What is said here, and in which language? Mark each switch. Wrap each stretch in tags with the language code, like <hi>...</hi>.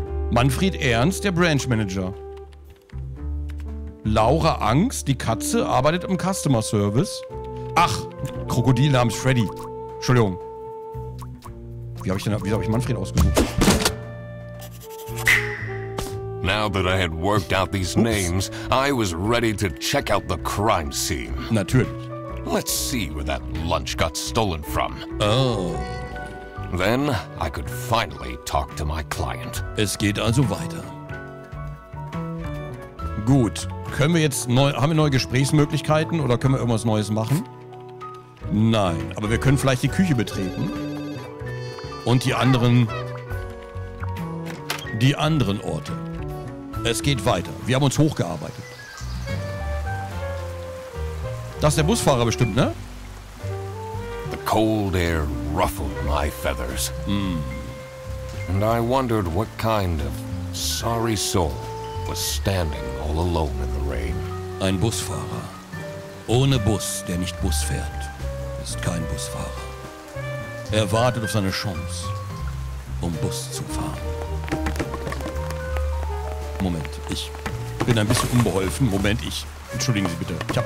<de>Manfred Ernst, der Branch Manager. Laura Angst, die Katze, arbeitet im Customer Service. Ach, Krokodil namens Freddy. Entschuldigung. Wie hab ich Manfred ausgesucht?</de> <en>Now that I had worked out these names, I was ready to check out the crime scene.</en> <de>Natürlich.</de> <en>Let's see where that lunch got stolen from. Oh. Then I could finally talk to my client.</en> <de>Es geht also weiter. Gut. Können wir jetzt neu, haben wir neue Gesprächsmöglichkeiten oder können wir irgendwas Neues machen? Nein, aber wir können vielleicht die Küche betreten. Und die anderen Orte. Es geht weiter. Wir haben uns hochgearbeitet. Das ist der Busfahrer bestimmt, ne?</de> <en>The cold air ruffled my feathers. Mm. And I wondered what kind of sorry soul was standing all alone in the rain.</en> <de>Ein Busfahrer. Ohne Bus, der nicht Bus fährt, ist kein Busfahrer. Er wartet auf seine Chance, um Bus zu fahren. Moment, ich bin ein bisschen unbeholfen. Moment, ich... Entschuldigen Sie bitte.</de>